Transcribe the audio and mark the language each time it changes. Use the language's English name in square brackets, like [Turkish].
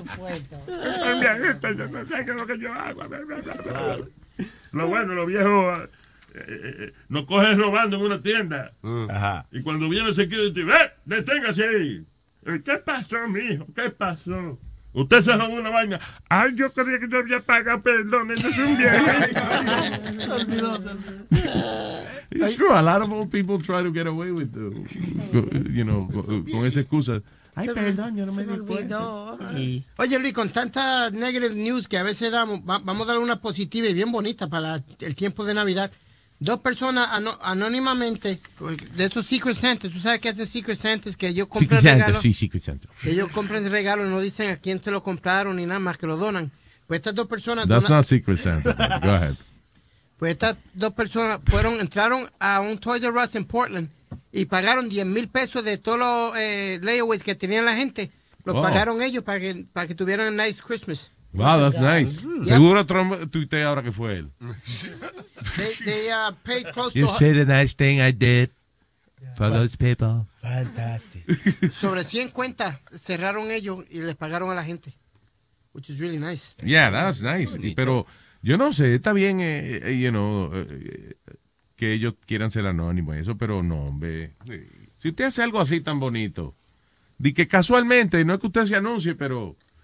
[Spanish] Soy un viejito, yo no sé qué es lo que yo hago. Lo bueno, los viejos nos cogen robando en una tienda. Y cuando viene el security, deténgase ahí. ¿Qué pasó, mijo? ¿Qué pasó? Usted se robó una vaina. Ay, yo creía que yo había pagado, perdón. Eso es un viejo. Se olvidó. [English] It's true. A lot of old people try to get away with them. [Spanish] con esa excusa. Ay, perdón, yo no me di cuenta. Oye, Luis, con tanta [English] negative news [Spanish] que a veces damos, vamos a dar una positiva y bien bonita para el tiempo de Navidad. Dos personas anónimamente de esos Secret Santas, tú sabes que hacen Secret Santas, que ellos compran regalos. Sí, Secret Santa. Que ellos compran regalos, no dicen a quién se lo compraron ni nada más, que lo donan. Pues estas dos personas. [English] That's not Secret Santa. Go ahead. [Spanish] Pues estas dos personas entraron a un Toys R Us en Portland y pagaron 10,000 pesos de todos los layaways que tenían la gente. Los pagaron ellos para que tuvieran [English] a nice Christmas. Wow, that's nice. [Spanish] Seguro Trump tuitea ahora que fue él. [English] They paid close to... You said a nice thing I did for those people. Fantastic. [Spanish] Sobre 100 cuentas cerraron ellos y les pagaron a la gente. [English] Which is really nice. Yeah, that's nice. [Spanish] Pero yo no sé, está bien, que ellos quieran ser anónimos y eso, pero no, hombre. Si usted hace algo así tan bonito, di que casualmente, no es que usted se anuncie, pero...